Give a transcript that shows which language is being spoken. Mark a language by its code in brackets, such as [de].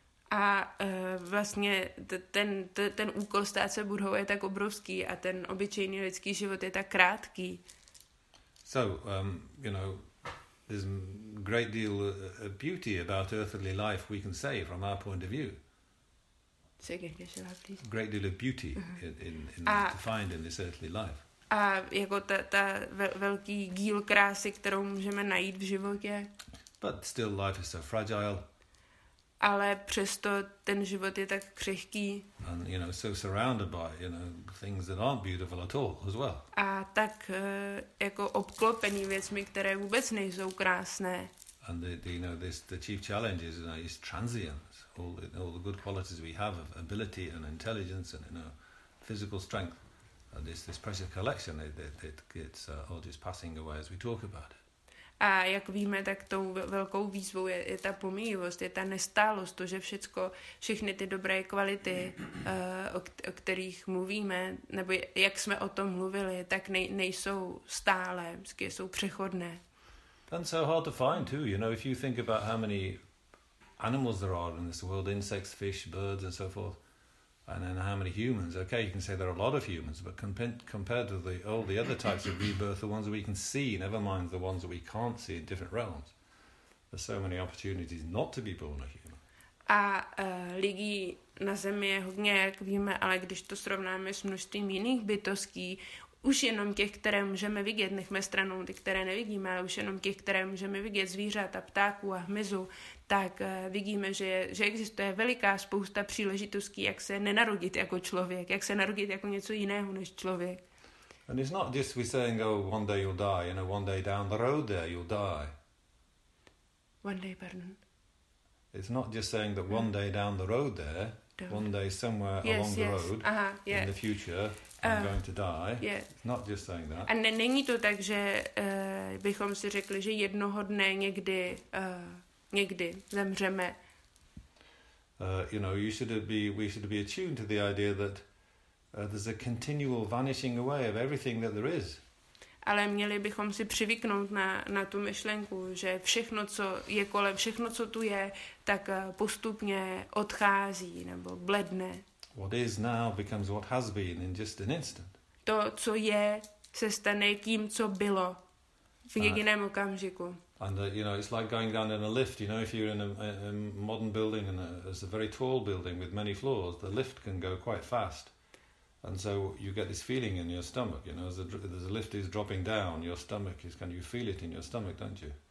[cs] A vlastně ten úkol stát se Buddhou je tak obrovský a ten obyčejný lidský život je tak krátký. [en] So, you know, there's a great deal of beauty about earthly life we can say from our point of view. Say again, please. A great deal of beauty to find in this earthly life. [cs] A jako ta velký díl krásy, kterou můžeme najít v životě. [en] But still life is so fragile. [cs] Ale přesto ten život je tak křehký. [en] And, you know, so surrounded by, you know, things that aren't beautiful at all as well. [cs] A tak jako obklopený věcmi, které vůbec nejsou krásné. [en] And the chief challenge is, you know, is transience. All the good qualities we have of ability and intelligence and, you know, physical strength, and this precious collection, it's all just passing away as we talk about it. [cs] A jak víme, tak tou velkou výzvou je ta pomíjivost, je ta nestálost, to, že všechny ty dobré kvality, o kterých mluvíme, nebo jak jsme o tom mluvili, tak nejsou stále, vždycky jsou přechodné. [en] And so hard to find too, you know, if you think about how many animals there are in this world, insects, fish, birds and so forth, and then how many humans, okay, you can say there are a lot of humans, but compared to all the other types of rebirth, the ones that we can see, never mind the ones that we can't see in different realms, there's so many opportunities not to be born a human. [cs] A lidí na Zemi je hodně, jak víme, ale když to srovnáme s množstvím jiných bytostí, už jenom těch, které můžeme vidět, nechme stranou ty, které nevidíme, ale už jenom těch, které můžeme vidět, zvířat a ptáků a hmyzu, tak vidíme, že existuje veliká spousta příležitostí, jak se nenarodit jako člověk, jak se narodit jako něco jiného než člověk. [en] And it's not just we saying, oh, one day you'll die, you know, one day down the road there you'll die. One day, pardon. It's not just saying that one day down the road there, one day somewhere along the road, in the future, I'm going to die. Yeah. It's not just saying that. [cs] A není to tak, že bychom si řekli, že jednoho dne někdy, někdy zemřeme. [en] You know, you should be, we should be attuned to the idea that there's a continual vanishing away of everything that there is. [cs] Ale měli bychom si přivyknout na, na tu myšlenku, že všechno, co je kolem, všechno, co tu je, tak postupně odchází nebo bledne. [en] What is now becomes what has been in just an instant. [cs] To, co je, se stane tím, co bylo v jediném okamžiku. [en] And you know, it's like going down in a lift. You know, if you're in a modern building and it's a very tall building with many floors, the lift can go quite fast. And so you get this feeling in your stomach, you know, as the lift is dropping down, your stomach is kind of, you feel it in your stomach, don't you?